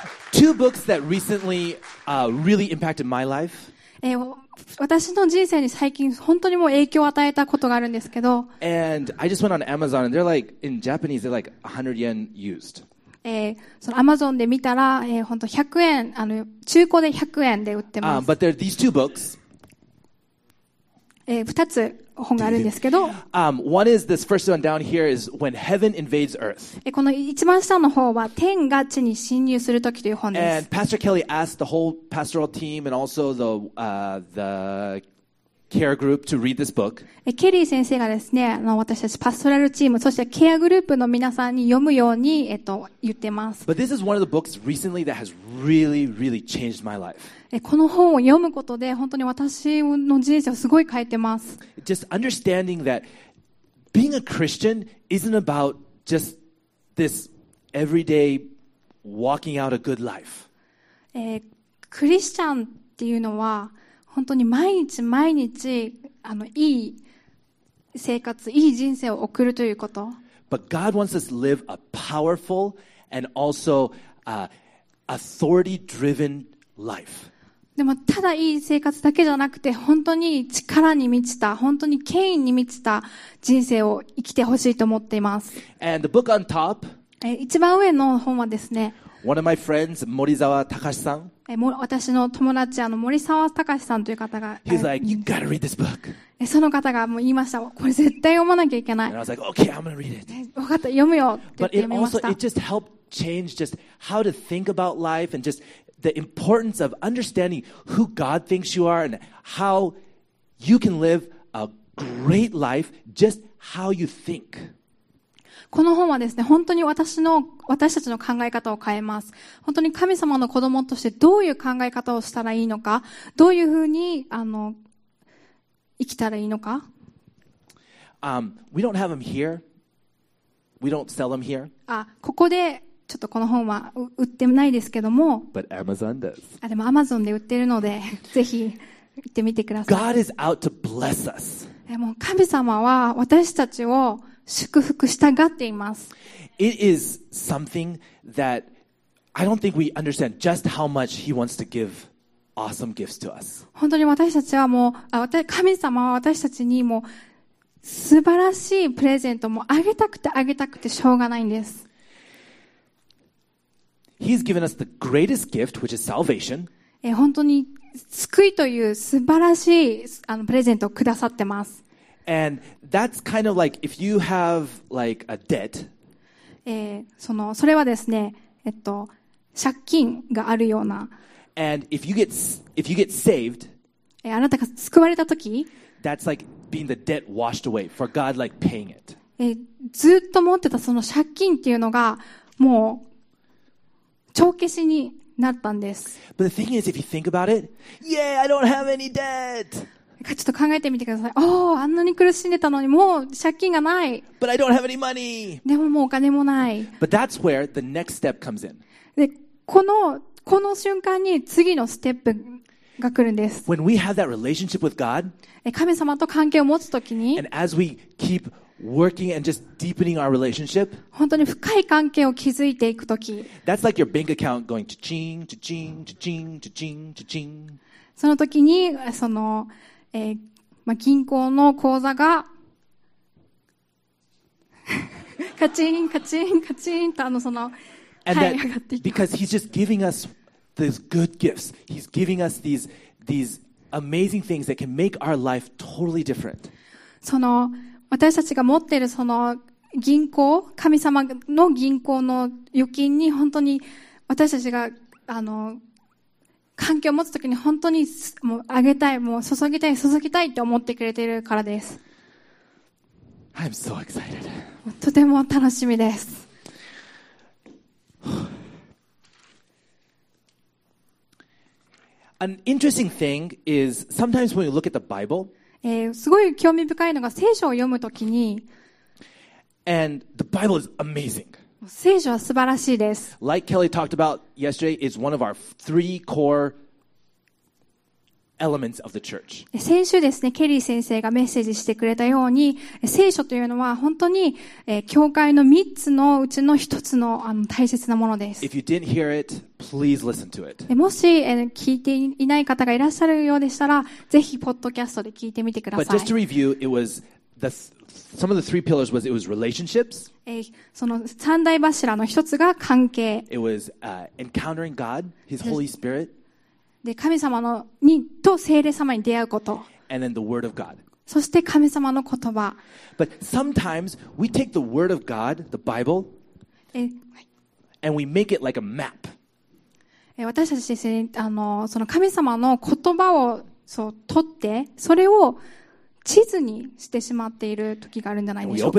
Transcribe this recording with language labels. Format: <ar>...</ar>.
<en>Two books that recently really impacted my life.</en> <ja>私の人生に最近本当にもう影響を与えたことがあるんですけど。</ja> <en>And I just went on Amazon and they're like, in Japanese, they're like 100 yen used.</en> <ja>その Amazon で見たら、本当100円あの中古で100円で売ってます。</ja> <en>But there are these two books.</en> <ja>2つ本があるんですけど。</ja> <en>One is this first one down here is When Heaven Invades Earth.</en> <ja>この一番下の方は天が地に侵入する時という本です。</ja> <en>And Pastor Kelly asked the whole pastoral team and also the care group to read this book.</en> <ja>ケリー先生がですね、私たちパストラルチーム、そしてケアグループの皆さんに読むように、言ってます。</ja> <en>But this is one of the books recently that has really, really changed my life.</en> <ja>この本を読むことで本当に私の人生をすごい変えてます。</ja> <en>Just understanding that being a Christian isn't about just this everyday walking out a good life.</en> <ja>クリスチャンっていうのは本当に毎日毎日いい生活、いい人生を送るということ。</ja> <en>But God wants us to live a powerful and also authority-driven life.</en> <ja>でもただいい生活だけじゃなくて、本当に力に満ちた、本当に権威に満ちた人生を生きてほしいと思っています。</ja> <en>And the book on top,</en> <ja>一番上の本はですね、</ja> <en>One of my friends, 森澤隆さん。</en> <ja>私の友達森澤隆さんという方が、</ja> <en>He's like, you gotta read this book.</en> <ja>その方がもう言いました。これ絶対読まなきゃいけない。</ja> <en>And I was like, okay, I'm gonna read it.</en> <ja>分かった、読むよって言ってみました。</ja> <en>But it also, it just helped change just how to think about life and just the importance of understanding who God thinks you are and how you can live a great life just how you think.</en> <ja>この本はですね、本当に私たちの考え方を変えます。本当に神様の子供としてどういう考え方をしたらいいのか、どういうふうに生きたらいいのか。</ja> <en>We don't have them here. We don't sell them here.</en> <ja>あ、ここでちょっとこの本は売ってないですけども。</ja> <en>But Amazon does.</en> <ja>あ、でも Amazon で売ってるので、ぜひ行ってみてください。</ja> <en>God is out to bless us.</en> <ja>もう神様は私たちを祝福したがっています。</ja> <en>It is something that I don't think we understand just how much He wants to give awesome gifts to us.</en> <ja>本当に私たちはもう、神様は私たちにもう素晴らしいプレゼントもあげたくてあげたくてしょうがないんです。</ja> <en>He's given us the greatest gift, which is salvation.</en> <ja>本当に救いという素晴らしいプレゼントをくださってます。</ja> <en>And that's kind of like if you have like a debt.</en> <ja>それはですね、借金があるような。</ja> <en>And if you get saved,</en> <ja>あなたが救われた時、</ja> <en>that's like being the debt washed away for God like paying it.</en> <ja>ずっと持ってたその借金っていうのがもう帳消しになったんです。</ja> <en>But the thing is, if you think about it, yeah, I don't have any debt.</en> <ja>ちょっと考えてみてください。おお、あんなに苦しんでたのに、もう借金がない。</ja> <en>But I don't have any money.</en> <ja>でももうお金もない。</ja> <en>But that's where the next step comes in.</en> <ja>で、この瞬間に次のステップが来るんです。</ja> <en>When we have that relationship with God,</en> <ja>神様と関係を持つときに、</ja> <en>and as we keep working and just deepening our relationship,</en> <ja>本当に深い関係を築いていくとき、</ja> <en>that's like your bank account going cha-ching, cha-ching, cha-ching, cha-ching, cha-ching.</en> <ja>そのときに、その、まあ、銀行の口座がカチンカチンカチンとその</ja> <en>And that, because he's just giving us these good gifts. He's giving us these amazing things that can make our life totally different.</en> <ja>その私たちが持っているその銀行、神様の銀行の預金に本当に私たちが環境を持つときに本当にもうあげたい、もう注ぎたい、注ぎたいと思ってくれているからです。</ja> <en>I'm so excited.</en> <ja>とても楽しみです。</ja> <en>An interesting thing is sometimes when you look at the Bible,</en> <ja>すごい興味深いのが聖書を読むときに、</ja> <en>And the Bible is amazing.</en> <ja>聖書は素晴らしいです。</ja> <en>Like Kelly talked about yesterday, it's one of our three core elements of the church.</en> <ja>先週ですね、ケリー先生がメッセージしてくれたように、聖書というのは本当に、教会の3つのうちの1つの、大切なものです。</ja> <en>If you didn't hear it, please listen to it.</en> <ja>もし、聞いていない方がいらっしゃるようでしたら、ぜひポッドキャストで聞いてみてください。</ja> <en>But just to review, it was Some of the three pillars was, it was relationships.</en> <ja>その三大柱の一つが関係。</ja> <en>It was encountering God, His Holy Spirit.</en> <ja>で、神様のにと聖霊様に出会うこと。</ja> <en>And then the Word of God.</en> <ja>そして神様の言葉。</ja> <en>But sometimes we take the Word of God, the Bible, and we make it like a map.</en> <ja>私たちですね、その神様の言葉をそう取って、それを地図にしてしまっている時があるんじゃないでしょうか。</ja>